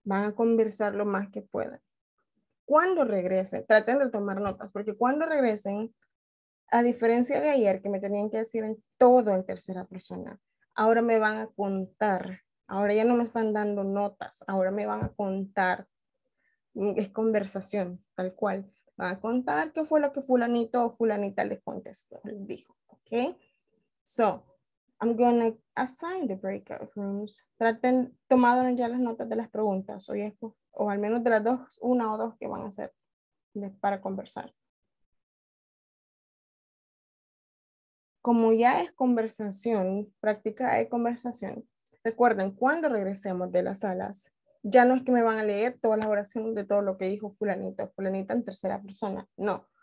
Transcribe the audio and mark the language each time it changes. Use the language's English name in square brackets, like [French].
[Spanish] Van a conversar lo más que puedan. Cuando regresen, traten de tomar notas, porque cuando regresen, a diferencia de ayer que me tenían que decir en todo en tercera persona, ahora me van a contar. Ahora ya no me están dando notas, ahora me van a contar, es conversación, tal cual. Van a contar qué fue lo que fulanito o fulanita les contestó, les dijo, ¿ok? [English] So, I'm going to assign the breakout rooms. [Spanish] Traten, tomaron ya las notas de las preguntas, o, es, o al menos de las dos, una o dos que van a hacer de, para conversar. Como ya es conversación, práctica de conversación, recuerden, cuando regresemos de las salas, ya no es que me van a leer todas las oraciones de todo lo que dijo fulanito, fulanita en tercera persona, no.